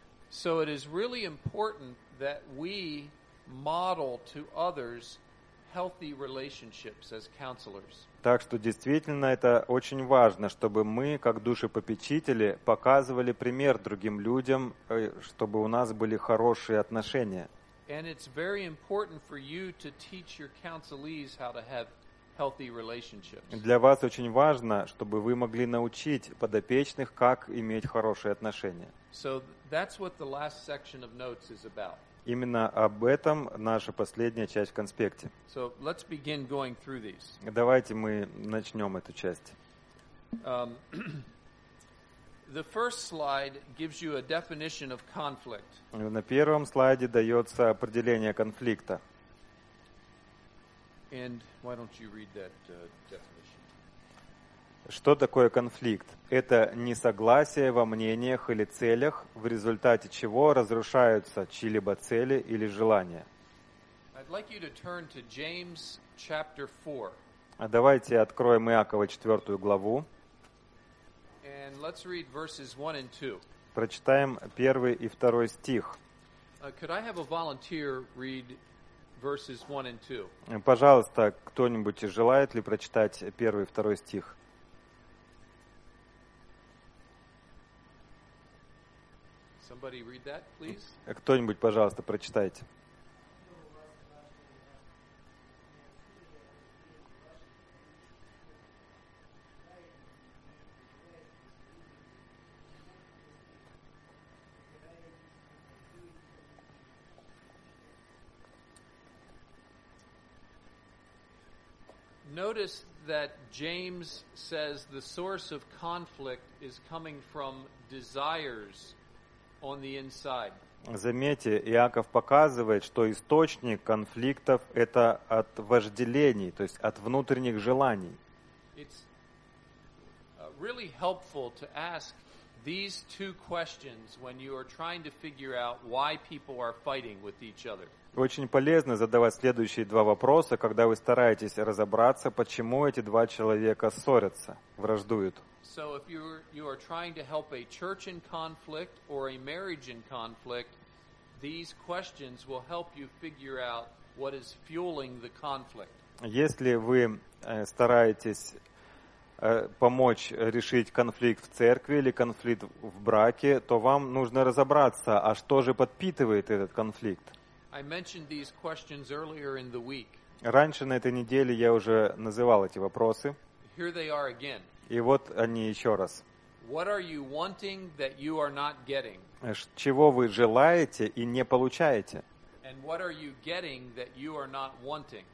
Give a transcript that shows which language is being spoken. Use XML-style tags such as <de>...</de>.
<en>So it is really important that we model to others healthy relationships as counselors.</en> <ru>Так что действительно это очень важно, чтобы мы, как душепопечители, показывали пример другим людям, чтобы у нас были хорошие отношения.</ru> <en>And it's very important for you to teach your counselees how to have healthy relationships.</en> <ru>Для вас очень важно, чтобы вы могли научить подопечных, как иметь хорошие отношения.</ru> <en>So that's what the last section of notes is about.</en> <ru>Именно об этом наша последняя часть в конспекте.</ru> <en>So let's begin going through these.</en> <ru>Давайте мы начнем эту часть.</ru> <en>The first slide gives you a definition of conflict.</en> <ru>На первом слайде дается определение конфликта.</ru> <en>And why don't you read that definition?</en> <ru>Что такое конфликт? Это несогласие во мнениях или целях, в результате чего разрушаются чьи-либо цели или желания.</ru> <en>I'd like you to turn to James chapter 4.</en> <ru>А давайте откроем Иакова 4 главу.</ru> <en>And let's read verses 1 and 2.</en> <ru>Прочитаем 1 и 2 стих.</ru> <en>Could I have a volunteer read verses 1 and 2?</en> <ru>Пожалуйста, кто-нибудь желает ли прочитать 1 и 2 стих?</ru> <en>Somebody read that, please.</en> <ru>Кто-нибудь, пожалуйста, прочитайте.</ru> <en>Notice that James says the source of conflict is coming from desires on the inside.</en> <ru>Заметьте, Иаков показывает, что источник конфликтов это от вожделений, то есть от внутренних желаний.</ru> <en>It's really helpful to ask these two questions when you are trying to figure out why people are fighting with each other.</en> <ru>Очень полезно задавать следующие два вопроса, когда вы стараетесь разобраться, почему эти два человека ссорятся, враждуют.</ru> <en>So if you are trying to help a church in conflict or a marriage in conflict, these questions will help you figure out what is fueling the conflict.</en> <ru>Если вы стараетесь помочь решить конфликт в церкви или конфликт в браке, то вам нужно разобраться, а что же подпитывает этот конфликт.</ru> <en>I mentioned these questions earlier in the week.</en> <ru>Раньше на этой неделе я уже называл эти вопросы.</ru> <en>Here they are again.</en> <ru>И вот они еще раз.</ru> <en>What are you wanting that you are not getting?</en> <ru>Чего вы желаете и не получаете?</ru> <en>And what are you getting that you are not wanting?</en>